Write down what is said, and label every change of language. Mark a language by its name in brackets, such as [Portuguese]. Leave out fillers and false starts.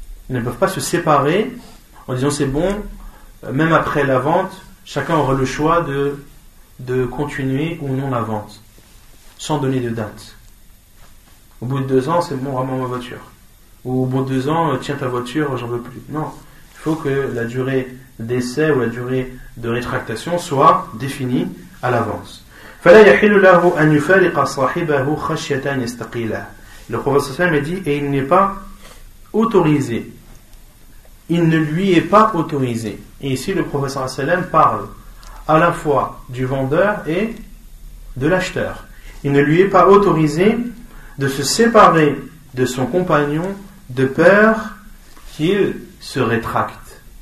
[French] Ils ne peuvent pas se séparer en disant c'est bon, même après la vente, chacun aura le choix de continuer ou non la vente, sans donner de date. Au bout de 2 ans, c'est bon, rends-moi ma voiture. Ou au bout de 2 ans, tiens ta voiture, j'en veux plus. Non, il faut que la durée d'essai ou la durée de rétractation soit définie à l'avance. [Arabic] فلا يحل له أن يفارق صاحبه خشية أن يستقيله. [French] Le prophète صلى الله عليه وسلم dit, et il n'est pas autorisé. Il ne lui est pas autorisé. Et ici, le prophète صلى الله عليه وسلم parle à la fois du vendeur et de l'acheteur. Il ne lui est pas autorisé de se séparer de son compagnon de peur qu'il se rétracte.